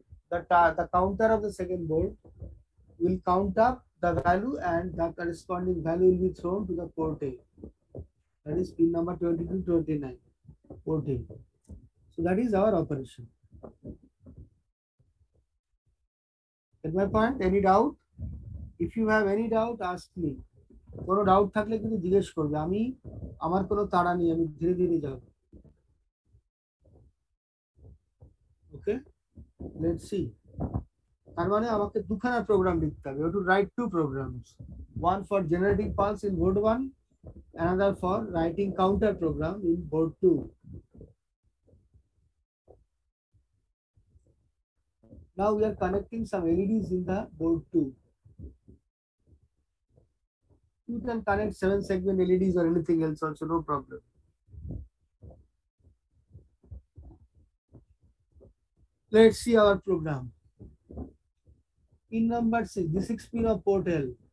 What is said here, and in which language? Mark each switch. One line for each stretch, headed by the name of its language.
English: The counter of the second board will count up the value, and the corresponding value will be thrown to the port A. That is pin number 22, 29, 14. So that is our operation. Get my point? Any doubt? If you have any doubt, ask me.
Bangla: কোনো doubt থাকলে কিন্তু জিজ্ঞেস করবে, আমি আমার কোনো তাড়া নেই, আমি ধীরে ধীরে যাব।
English: Okay, let's see.
Bangla: তার মানে আমাকে দুখানা প্রোগ্রাম লিখতে হবে,
English: To write two programs, one for generating pulse in board one, another for writing counter program in board two. Now we are connecting some LEDs in the board two. You can connect 7 segment LEDs or anything else also, no problem. Let's see our program. Pin number 6, the 6 pin of port L.